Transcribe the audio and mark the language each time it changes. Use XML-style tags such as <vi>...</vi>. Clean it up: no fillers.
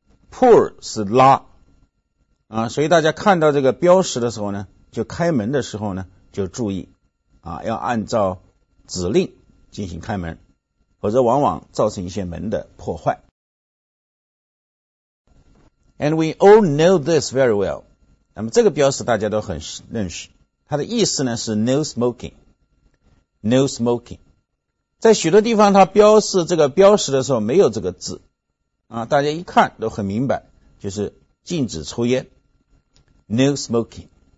<zh>Pull 是拉所以大家看到这个标识的时候呢，就开门的时候呢，就注意要按照指令进行开门，否则往往造成一些门的破坏。</zh> <en>And we all know this very well.</en> <zh>那么这个标识大家都很认识，它的意思呢是</zh> <en>no smoking, no smoking.</en> <zh>在许多地方它标示这个标识的时候没有这个字。大家一看都很明白，就是禁止抽烟 ，</zh> <en>no smoking。</en>